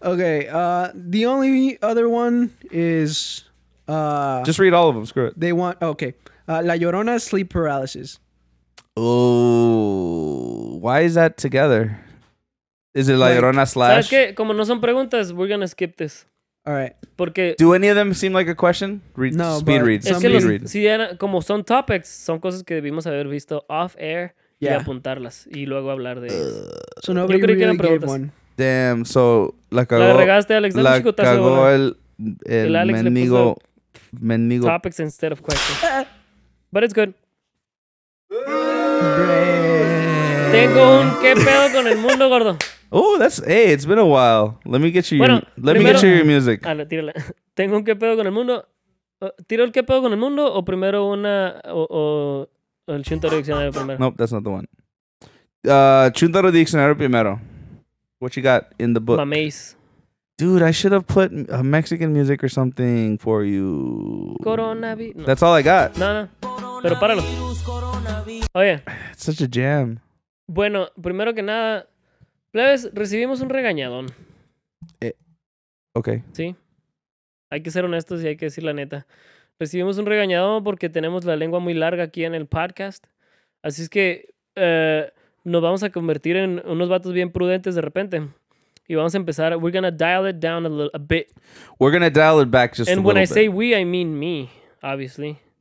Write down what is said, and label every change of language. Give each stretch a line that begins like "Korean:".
English: Okay, the only other one is... Just read all of them, screw it. They want... Okay. La Llorona, sleep paralysis. Oh, why is that together? Is it La Llorona slash...
Spanish: ¿Sabes qué? Como no son preguntas,
English: we're going to skip this. All right.
Spanish: Porque
English: do any of them seem like a question? No, speed reads.
Spanish: Es que
English: read.
Spanish: Si eran, como son topics, son cosas que debimos haber visto off air y apuntarlas y luego hablar de.
English: So nobody
Spanish: yo creí
English: really
Spanish: que eran preguntas. One.
English: Damn. So
Spanish: la cagó. La regaste, Alex. La chico, cagó el Alex mendigo,
English: topics instead of questions. But it's good. Brave.
Spanish: Tengo un qué pedo con el mundo, gordo.
English: Oh, that's... Hey, it's been a while. Let me get you,
Spanish: bueno,
English: let
Spanish: primero,
English: me get you your music.
Spanish: Ala, tírala. Tengo un qué pedo con el mundo. ¿Tiro el qué pedo con el mundo o primero una... O el Chuntaro Diccionario primero?
English: Nope, that's not the one. Chuntaro Diccionario primero. What you got in the book?
Spanish: Mamés.
English: Dude, I should have put a Mexican music or something for you. Coronavirus. No. That's all I got.
Spanish: No, no. Pero páralo. Oye.
English: It's such a jam.
Spanish: Bueno, primero que nada, plebes, recibimos un regañadón. Okay. Sí. Hay que ser honestos y hay que decir la neta. Recibimos un regañadón porque tenemos la lengua muy larga aquí en el podcast. Así es que nos vamos a convertir en unos vatos bien prudentes de repente. Y vamos a empezar.
English: We're going to dial it down a bit. We're going to dial it back just a little bit. And when I say we, I mean me, obviously.